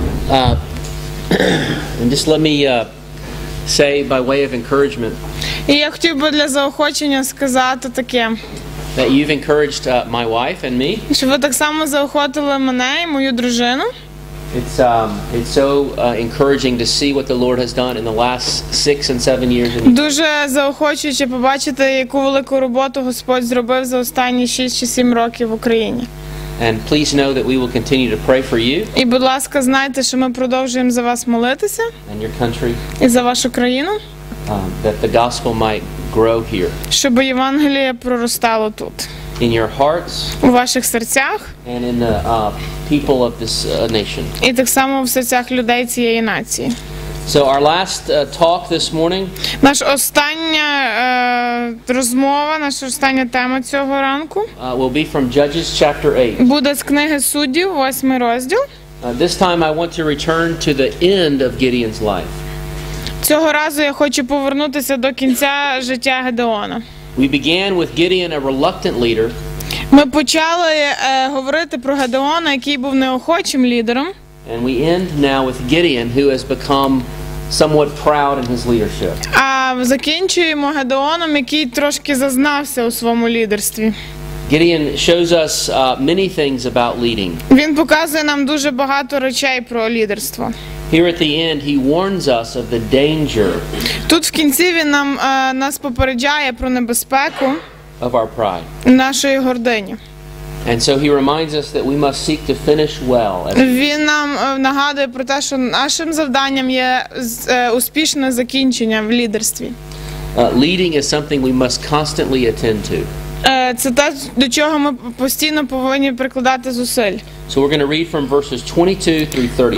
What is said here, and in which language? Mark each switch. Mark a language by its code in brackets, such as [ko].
[en] And just let me say by way of encouragement. [uk] І я хотів би для заохочення сказати таке. [en] That you've encouraged my wife and me. [uk] Що ви так само заохотили мене і мою дружину? [en] It's so encouraging to see what the Lord has done in the last 6 and 7 years. [uk] Дуже заохочуюче побачити, яку велику роботу Господь зробив за останні 6 чи 7 років в Україні. [en] And please know that we will continue to pray for you. [uk] І будь ласка, знайте, що ми продовжуємо за вас молитися. [en] And your country. [uk] І за вашу країну. [en] That the gospel might grow here. [uk] Щоб Євангеліє проростало тут. [en] In your hearts. [uk] У ваших серцях. [en] And in the people of this nation. [uk] І так само в серцях людей цієї нації. [en] So our last talk this morning. [uk] Наш остання розмова, наша остання тема цього ранку. [en] Will be from Judges chapter 8. [uk] Буде з книги Суддів, 8 розділ. [en] This time I want to return to the end of Gideon's life. [uk] Цього разу я хочу повернутися до кінця життя Гедеона. [en] We began with Gideon, a reluctant leader. [uk] Ми почали говорити про Гедеона, який був неохочим лідером. [en] And we end now with Gideon, who has become somewhat proud in his leadership. [uk] А закінчуємо Гедеоном, який трошки зазнався у своєму лідерстві. [en] Gideon shows us many things about leading. [uk] Він показує нам дуже багато речей про лідерство. [en] Here at the end he warns us of the danger. [uk] Тут в кінці він нам нас попереджає про небезпеку. [en] Of our pride. [uk] Нашої гордині. [en] And so he reminds us that we must seek to finish well. [uk] Він нам нагадує про те, що нашим завданням є успішне закінчення в лідерстві. [en] Leading is something we must constantly attend to. [uk] Це те, до чого ми постійно повинні прикладати зусиль. [en] So we're going to read from verses 22 through 30.